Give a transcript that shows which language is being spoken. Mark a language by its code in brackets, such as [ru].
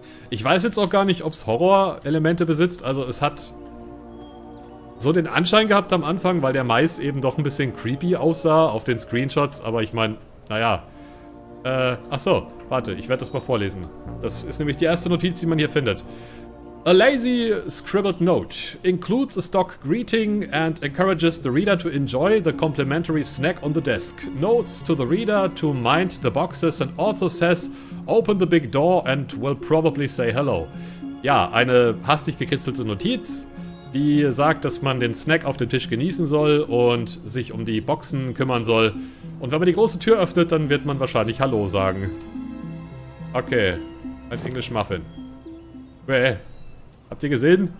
[de] Ich weiß jetzt auch gar nicht, ob es Horror-Elemente besitzt. Also es hat so den Anschein gehabt am Anfang, weil der Mais eben doch ein bisschen creepy aussah auf den Screenshots. Aber ich meine, naja. Achso, warte, ich werde das mal vorlesen. Das ist nämlich die erste Notiz, die man hier findet. [en] A lazy scribbled note includes a stock greeting and encourages the reader to enjoy the complimentary snack on the desk. Notes to the reader to mind the boxes and also says, open the big door and will probably say hello. [de] Ja, eine hastig gekritzelte Notiz, die sagt, dass man den Snack auf dem Tisch genießen soll und sich um die Boxen kümmern soll. Und wenn man die große Tür öffnet, dann wird man wahrscheinlich Hallo sagen. Okay, ein English Muffin. Bäh. Habt ihr gesehen?